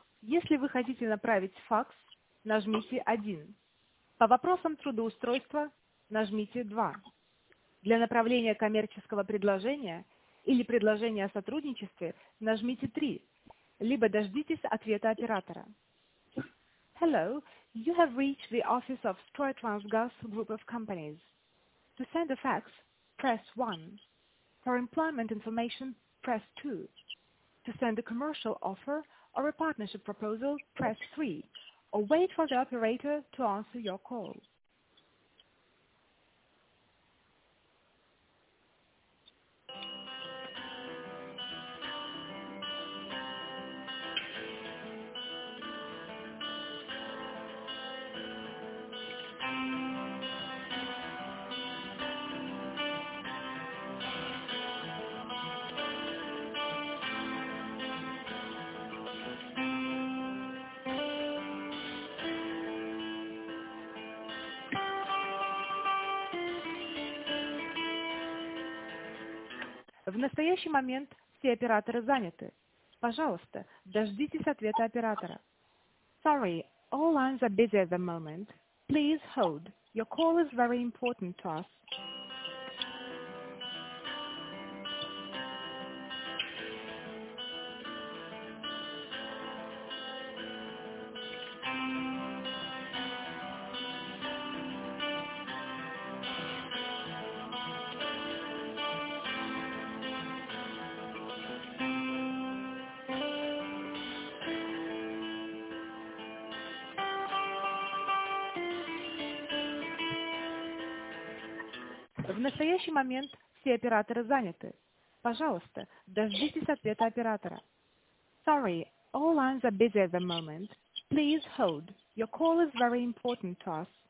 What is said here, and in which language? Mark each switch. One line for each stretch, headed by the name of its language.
Russian: Если вы хотите направить факс, нажмите 1. По вопросам трудоустройства нажмите 2. Для направления коммерческого предложения или предложения о сотрудничестве нажмите 3, либо дождитесь ответа оператора.
English: Hello, you have reached the office of Stroytransgas Group of Companies. To send a fax, press 1. For employment information, press 2. To send a commercial offer or a partnership proposal, press 3. Or wait for the operator to answer your call.
Russian: В настоящий момент все операторы заняты. Пожалуйста, дождитесь ответа оператора.
English: Sorry, all lines are busy at the moment. Please hold. Your call is very important to us.
Russian: В настоящий момент все операторы заняты. Пожалуйста, дождитесь ответа оператора.
English: Sorry, all lines are busy at the moment. Please hold. Your call is very important to us.